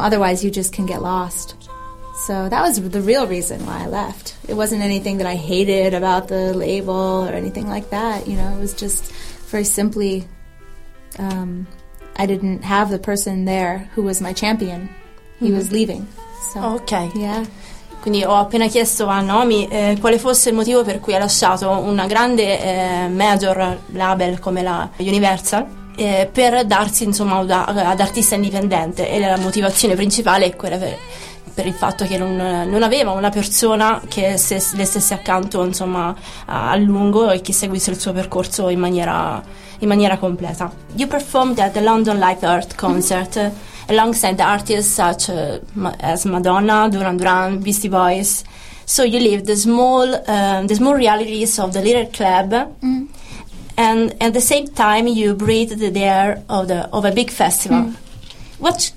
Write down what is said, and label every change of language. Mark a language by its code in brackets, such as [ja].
[en] Otherwise you just can get lost. So that was the real reason why I left. It wasn't anything that I hated about the label or anything like that. You know, it was just very simply I didn't have the person there who was my champion. He mm-hmm. was leaving. So, ok. Yeah. [it] Quindi ho appena chiesto a Naomi quale fosse il motivo per cui ha lasciato una grande major label come la Universal. Per darsi insomma ad artista indipendente, e la motivazione principale è quella per il fatto che non aveva una persona che le stesse accanto insomma a lungo e che seguisse il suo percorso in maniera completa. [en] You performed at the London Live Earth Concert alongside the artists such as Madonna, Duran Duran, Beastie Boys. So you lived the small realities of the little club. Mm. And at the same time, you breathed the air of a big festival. Mm.